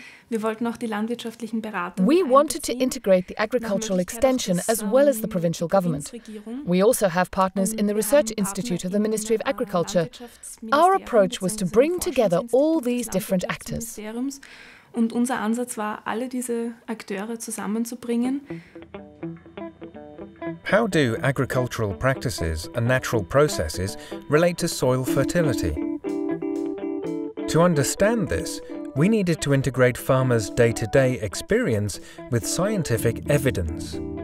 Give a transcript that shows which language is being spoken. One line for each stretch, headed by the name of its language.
English: We wanted to integrate the agricultural extension as well as the provincial government. We also have partners in the Research Institute of the Ministry of Agriculture. Our approach was to bring together all these different actors.
German: Und unser Ansatz war, alle diese Akteure zusammenzubringen.
English: How do agricultural practices and natural processes relate to soil fertility? To understand this, we needed to integrate farmers' day-to-day experience with scientific evidence.